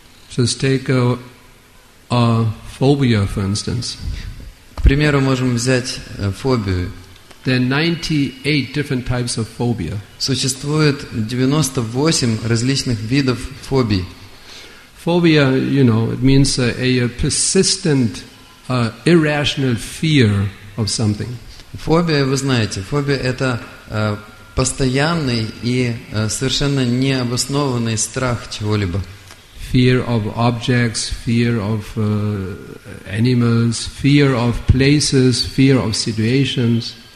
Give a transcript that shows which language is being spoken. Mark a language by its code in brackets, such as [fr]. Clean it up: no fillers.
[en] Just take a phobia, for instance. [ru] К примеру, можем взять фобию. [en] There are 98 different types of phobia. [ru] Существует 98 различных видов фобий. [en] Phobia, you know, it means a persistent, irrational fear of something. [ru] Фобия, вы знаете, фобия – это постоянный и совершенно необоснованный страх чего-либо. [en] Fear of objects, fear of animals, fear of places, fear of situations.